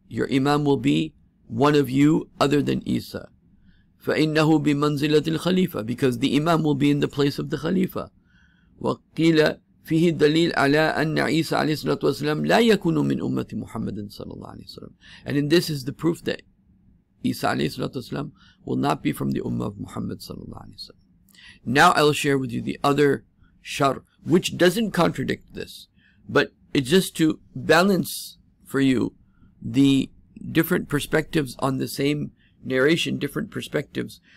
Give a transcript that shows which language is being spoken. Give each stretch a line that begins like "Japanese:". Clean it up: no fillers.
English: Your imam will be one of you other than Isa.
Arabic: فَإِنَّهُ بِمَنْزِلَةِ الْخَلِيفَةِ.
English: Because the imam will be in the place of the Khalifa.
Arabic: وقيل فيه دليل على أن عيسى عليه الصلاة والسلام لا يكون من أمة محمد صلى الله عليه وسلم.
English: And this is the proof that عيسى عليه الصلاة والسلام will not be from the Ummah of Muhammad صلى الله عليه وسلم. Now I'll share with you the other shar, which doesn't contradict this, but it's just to balance for you the different perspectives on the same narration, different perspectives.